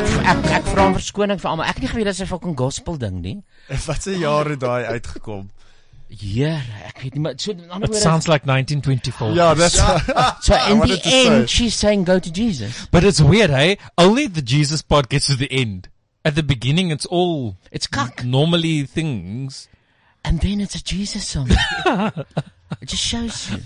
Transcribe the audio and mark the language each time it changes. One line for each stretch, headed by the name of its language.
Afrikaans: Ek vra om verskoning vir almal. Ek het nie geweet dat dit 'n fucking gospel ding nie. Wat se jaar het daai uitgekom? Here, ek weet nie, maar so,
English: it sounds like 1924. Yeah, that's so in the end, she's saying go to Jesus. But it's weird, hey? Only the Jesus part gets to the end. At the beginning, it's all it's cuck. Normally things. And then it's a Jesus song. It just shows you.